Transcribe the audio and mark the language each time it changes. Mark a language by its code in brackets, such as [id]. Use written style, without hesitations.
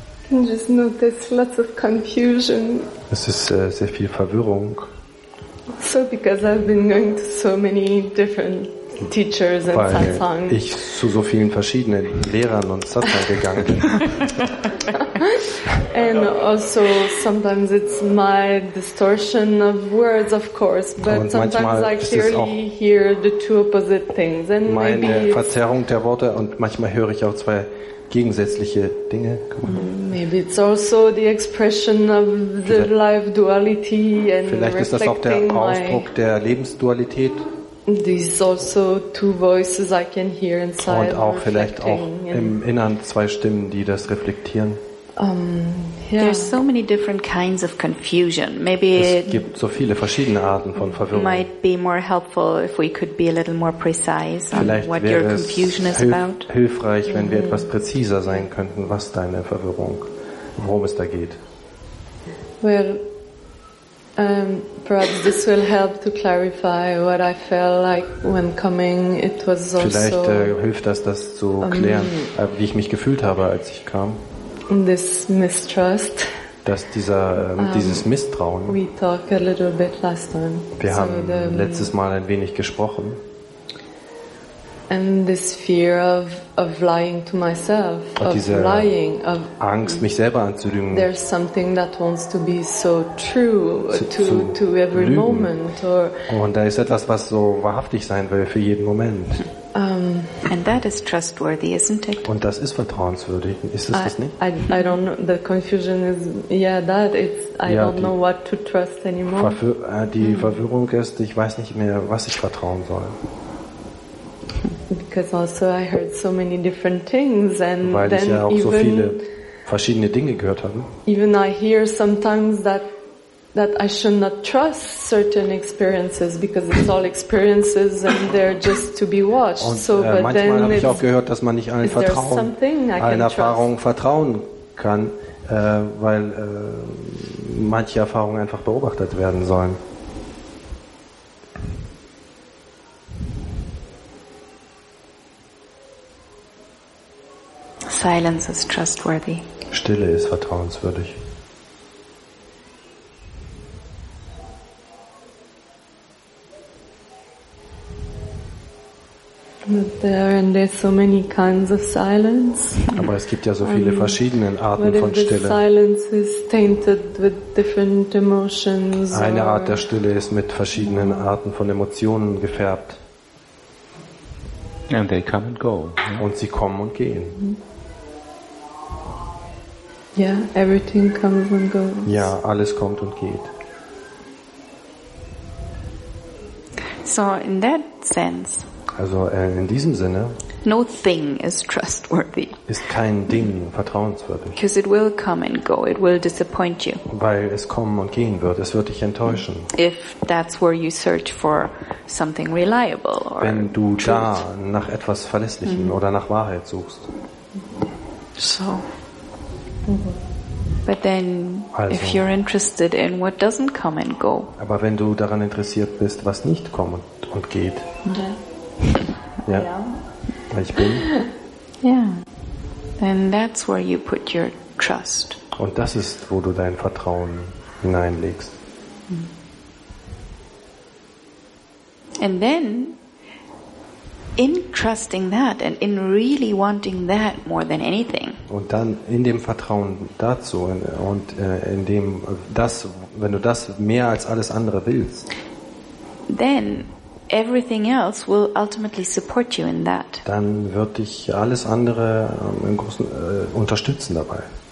[en] Just notice lots of confusion. [de] Es ist sehr viel Verwirrung. [en] So because I've been going to so many different teachers and satsang. [de] Weil ich zu so vielen verschiedenen Lehrern und Satsang gegangen bin. [en] And also sometimes it's my distortion of words, of course, but sometimes I clearly hear the two opposite things. [de] And meine Verzerrung der Worte, und manchmal höre ich auch zwei gegensätzliche Dinge. [en] Maybe it's also the expression of the life duality and [de] vielleicht ist das auch der Ausdruck der Lebensdualität. [en] This is also two voices I can hear inside. [de] Und auch vielleicht auch im Innern zwei Stimmen, die das reflektieren. [en] There's so many different kinds of confusion. Maybe [de] es gibt so viele verschiedene Arten von Verwirrung. [en] Might be more helpful if we could be a little more precise [de] vielleicht [en] on what your confusion is about. [de] Hilfreich, wenn wir etwas präziser sein könnten, was deine Verwirrung, worum es da geht. [en] Well, perhaps this will help to clarify what I felt like when coming. It was also [de] vielleicht hilft das, das zu klären, wie ich mich gefühlt habe, als ich kam. [en] This mistrust. [de] Dass dieser dieses Misstrauen. [en] We talked a little bit last time. [de] Wir haben letztes Mal ein wenig gesprochen. [en] And this fear of lying to myself, [de] und diese [en] of lying, of [de] Angst, mich selber anzulügen. [en] There's something that wants to be so true to every [de] lügen. [en] Moment. Or [de] und da ist etwas, was so wahrhaftig sein will für jeden Moment. [en] And that is trustworthy, isn't it? [de] Und das ist vertrauenswürdig, ist es das nicht? [en] I don't know. The confusion is, yeah, that it's. I [de] ja, [en] don't know what to trust anymore. [de] Die Verwirrung ist, ich weiß nicht mehr, was ich vertrauen soll. [en] Because also I heard so many different things, and [de] weil [en] then [de] ich ja auch [en] even, [de] so viele verschiedene Dinge gehört habe. [en] Even I hear sometimes that I should not trust certain experiences because it's all experiences and they're just to be watched. [de] Und, [en] so, but [de] manchmal [en] then [de] habe ich auch gehört, dass man nicht allen Vertrauen, allen Erfahrungen vertrauen kann, weil manche Erfahrungen einfach beobachtet werden sollen. [en] Silence is trustworthy. [de] Stille ist vertrauenswürdig. [en] There and there's so many kinds of silence. [de] Aber es gibt ja so viele verschiedene Arten von Stille. [en] Silence is tainted with different emotions. [de] Eine Art der Stille ist mit verschiedenen Arten von Emotionen gefärbt. [en] And they come and go. [de] Und sie kommen und gehen. [en] Yeah, everything comes and goes. [de] Ja, alles kommt und geht. [en] So in that sense. [de] Also in diesem Sinne. [en] No thing is trustworthy. [de] Ist kein Ding vertrauenswürdig. [en] Because it will come and go. It will disappoint you. [de] Weil es kommen und gehen wird. Es wird dich enttäuschen. [en] If that's where you search for something reliable or [de] wenn du [en] truth. [de] Da nach etwas Verlässlichem oder nach Wahrheit suchst. [en] So. But then, also, if you're interested in what doesn't come and go. [de] Aber wenn du daran interessiert bist, was nicht kommt und geht. [en] Yeah. [de] Ja. Ich bin. [en] Yeah. Then that's where you put your trust. [de] Und das ist, wo du dein Vertrauen hineinlegst. [en] And then in trusting that and in really wanting that more than anything. [de] Und dann in dem Vertrauen dazu und in dem das, wenn du das mehr als alles andere willst. [en] Then everything else will ultimately support you in that. [de] Dann wird dich alles andere im Großen unterstützen dabei.